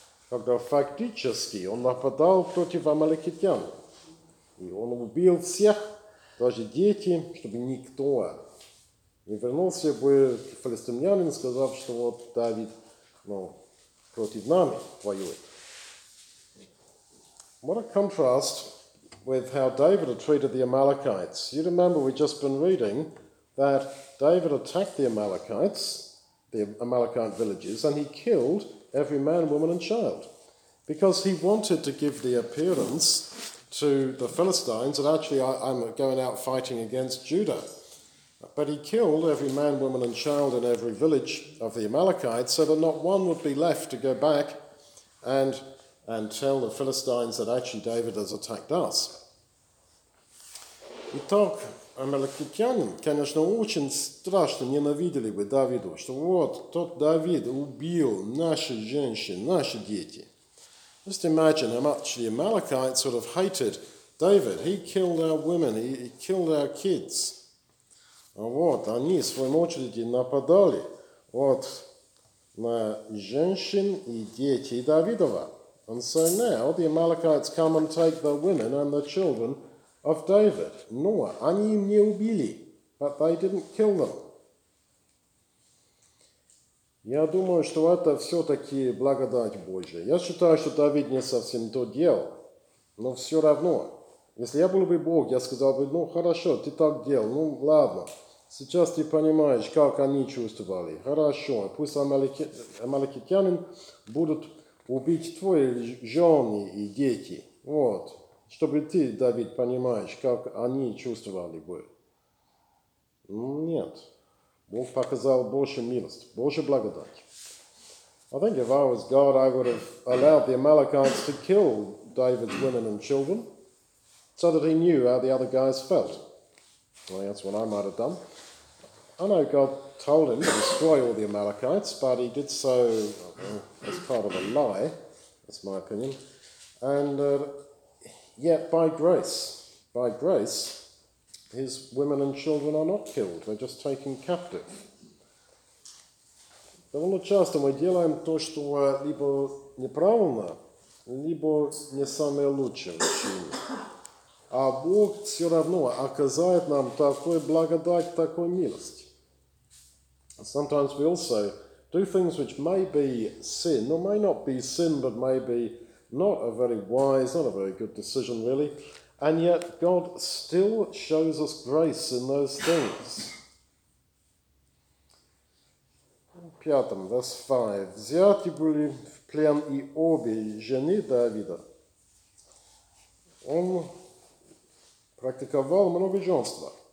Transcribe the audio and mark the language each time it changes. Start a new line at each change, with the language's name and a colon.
Russian: Когда фактически он нападал против амаликитян. И он убил всех, даже дети, чтобы никто не вернулся бы к филистимлянам, сказав, что вот Давид, ну, против нами воюет.
English: What a contrast with how David treated the Amalekites. You remember we've just been reading that David attacked the Amalekite villages, and he killed every man, woman, and child, because he wanted to give the appearance to the Philistines that actually I'm going out fighting against Judah. But he killed every man, woman, and child in every village of the Amalekites so that not one would be left to go back and tell the Philistines that actually David has attacked us. We talk.
Russian: Амаликитяне, конечно, очень страшно ненавидели бы Давиду, что вот тот Давид убил наши женщины, наши дети.
English: Just imagine how much the Amalekites would have hated David. He killed our women, he killed our kids.
Russian: А вот они, в свою очередь, нападали вот на женщин и детей Давидова.
English: And so now the Amalekites come and take the women and the children of David, Noah, они им не убили, but they didn't kill them.
Russian: Я думаю, что это все-таки благодать Божия. Я считаю, что Давид не совсем то делал, но все равно. Если я был бы Бог, я сказал бы, ну хорошо, ты так делал, ну ладно. Сейчас ты понимаешь, как они чувствовали. Хорошо, пусть амаликитяне будут убить твои жены и дети. Вот. Чтобы ты, Давид, понимаешь, как они чувствовали бы. Нет. Бог показал Божью милость, Божью благодать.
English: I think if I was God, I would have allowed the Amalekites to kill David's women and children so that he knew how the other guys felt. Well, that's what I might have done. I know God told him to destroy all the Amalekites, but he did so as part of a lie, that's my opinion, and yet by grace, his women and children are not killed. They're just taken captive.
Russian: Довольно часто мы делаем то, что либо неправильно, либо не самое лучшее. А Бог все равно оказывает нам такую благодать, такую милость.
English: Sometimes we also do things which may be sin, or may not be sin, but may be not a very wise, not a very good decision, really. And yet, God still shows us grace in those things. 5, verse 5.
Russian: Взяты были в плен и обе жены Давида. Он практиковал многоженство.